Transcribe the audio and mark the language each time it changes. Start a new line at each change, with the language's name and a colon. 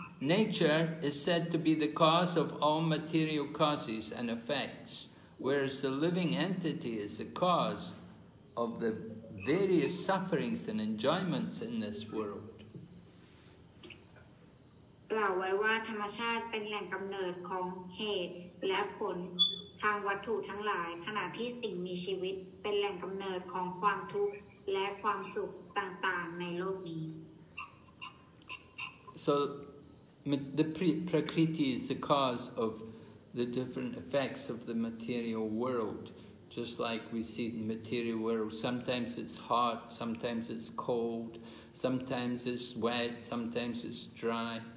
English: Nature is said to be the cause of all material causes and effects, whereas the living entity is the cause of the various sufferings and enjoyments in this world.
Thai: กล่าวไว้ว่าธรรมชาติเป็นแหล่งกำเนิดของเหตุและผลทางวัตถุทั้งหลายขณะที่สิ่งมีชีวิตเป็นแหล่งกำเนิดของความทุกข์และความสุขต่างๆในโลกนี้
English: So the prakriti is the cause of the different effects of the material world just like we see the material world sometimes it's hot sometimes it's cold sometimes it's wet sometimes it's dry